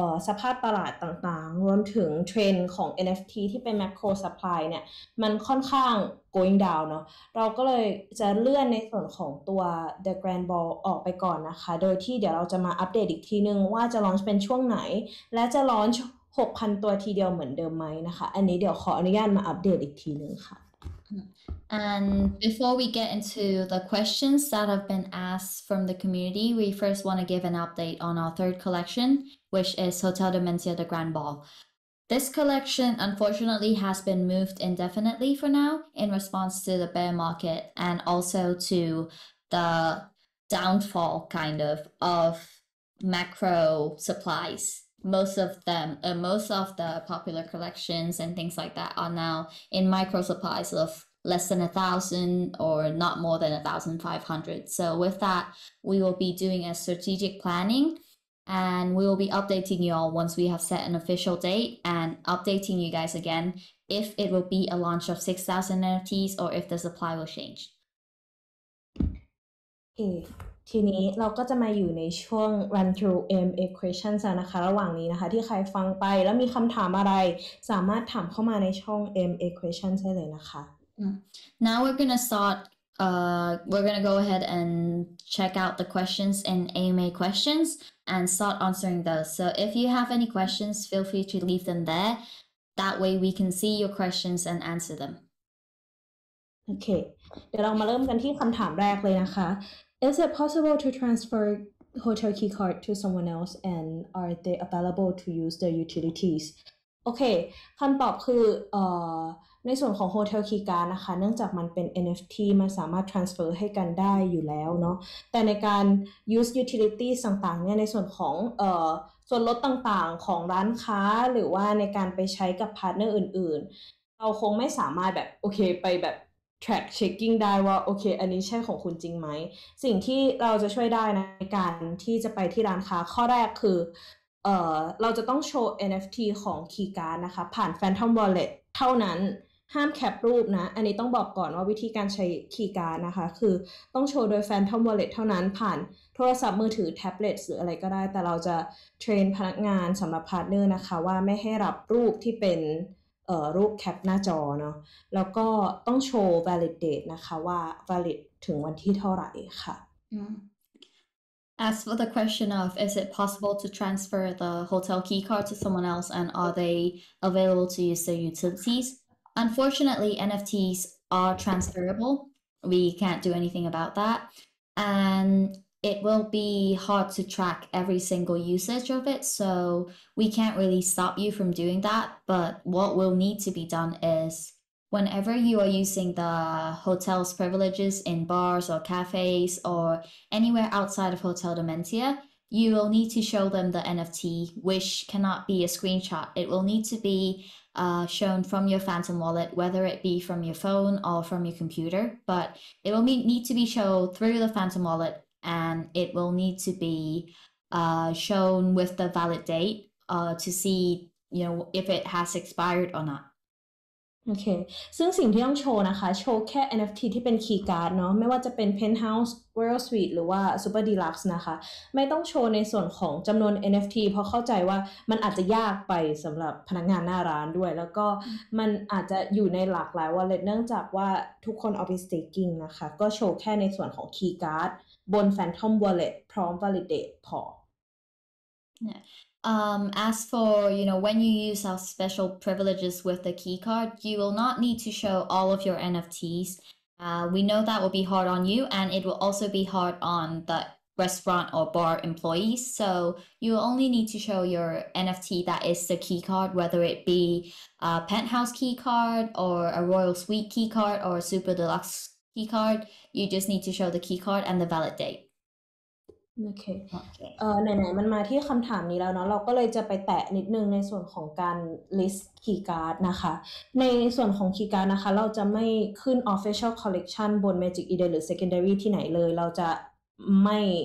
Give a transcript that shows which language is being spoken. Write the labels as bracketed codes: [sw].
[th] สภาพตลาดต่างๆรวมถึงเทรนด์ของ NFT ที่เป็น macro supply เนี่ยมันค่อนข้าง [en] going down [th] เนาะเราก็เลยจะเลื่อนในส่วนของตัว The Grand Ball ออกไปก่อนนะคะโดยที่เดี๋ยวเราจะมาอัปเดตอีกทีนึงว่าจะ launch เป็นช่วงไหนและจะ launch 6,000 ตัวทีเดียวเหมือนเดิมไหมนะคะอันนี้เดี๋ยวขออนุญาตมาอัปเดตอีกทีนึงค่ะ [en] And before we get into the questions that have been asked from the community we first want to give an update on our third collectionwhich is Hotel de Mentia the Grand Ball. This collection unfortunately has been moved indefinitely for now in response to the bear market and also to the downfall kind of macro supplies. Most of the popular collections and things like that are now in micro supplies of less than 1,000 or not more than 1,500. So with that, we will be doing a strategic planningAnd we will be updating you all once we have set an official date and updating you guys again if it will be a launch of 6,000 NFTs or if the supply will change. [th] Okay, ทีนี้เราก็จะมาอยู่ในช่วง [en] run through M equations [th] นะคะระหว่างนี้นะคะที่ใครฟังไปแล้วมีคำถามอะไรสามารถถามเข้ามาในช่อง M equations ได้เลยนะคะ [en] Now we're gonna startWe're going to go ahead and check out the questions in AMA questions and start answering those. So if you have any questions, feel free to leave them there. That way we can see your questions and answer them. Okay. [th] เดี๋ยวเรามาเริ่มกันที่คำถามแรกเลยนะคะ [en] Is it possible to transfer hotel key card to someone else and are they available to use the utilities? Okay. [th] คำตอบคือในส่วนของ Hotel Key Card นะคะเนื่องจากมันเป็น NFT มันสามารถ transfer ให้กันได้อยู่แล้วเนาะแต่ในการ use utilities ต่างๆเนี่ยในส่วนของส่วนลดต่างๆของร้านค้าหรือว่าในการไปใช้กับพาร์ทเนอร์อื่นๆเราคงไม่สามารถแบบโอเคไปแบบ [en] track checking [th] ได้ว่าโอเคอันนี้ใช่ของคุณจริงไหมสิ่งที่เราจะช่วยได้ในการที่จะไปที่ร้านค้าข้อแรกคือ เราจะต้องโชว์ NFT ของ Key Card นะคะผ่าน Phantom Wallet เท่านั้นห้ามแคปรูปนะอันนี้ต้องบอกก่อนว่าวิธีการใช้คีย์การ์ดนะคะคือต้องโชว์โดย Phantom Wallet เท่านั้นผ่านโทรศัพท์มือถือแท็บเล็ตหรืออะไรก็ได้แต่เราจะเทรนพนักงานสำหรับพาร์ทเนอร์นะคะว่าไม่ให้รับรูปที่เป็นรูปแคปหน้าจอเนาะแล้วก็ต้องโชว์ Valid Date นะคะว่า Valid ถึงวันที่เท่าไหร่ค่ะ [en] As for the question of is it possible to transfer the hotel key card to someone else and are they available to use their utilities? Unfortunately, NFTs are transferable. We can't do anything about that. And it will be hard to track every single usage of it. So we can't really stop you from doing that. But what will need to be done is whenever you are using the hotel's privileges in bars or cafes or anywhere outside of Hotel Dementia, you will need to show them the NFT, which cannot be a screenshot. It will need to be shown from your Phantom wallet, whether it be from your phone or from your computer. But it will need to be shown through the Phantom wallet, and it will need to be shown with the valid date to see, you know, if it has expired or not. [th] โอเคซึ่งสิ่งที่ต้องโชว์นะคะโชว์แค่ NFT ที่เป็นคีย์การ์ดเนาะไม่ว่าจะเป็น Penthouse Royal Suite หรือว่า Super Deluxe นะคะไม่ต้องโชว์ในส่วนของจำนวน NFT เพราะเข้าใจว่ามันอาจจะยากไปสำหรับพนักงานหน้าร้านด้วยแล้วก็มันอาจจะอยู่ในหลากหลาย wallet เนื่องจากว่าทุกคนเอาไป staking นะคะก็โชว์แค่ในส่วนของคีย์การ์ดบน Phantom Wallet พร้อม validate พ [en] อAs for, you know, when you use our special privileges with the key card, you will not need to show all of your NFTs. We know that will be hard on you, and it will also be hard on the restaurant or bar employees. So you will only need to show your NFT that is the key card, whether it be a penthouse key card or a royal suite key card or a super deluxe key card. You just need to show the key card and the valid date. [th] โอเคไหนๆมันมาที่คำถามนี้แล้วเนาะเราก็เลยจะไปแตะนิดนึงในส่วนของการ list key card นะคะในส่วนของ key card นะคะเราจะไม่ขึ้น official collection บน Magic Eden หรือ secondary ที่ไหนเลยเราจะไม่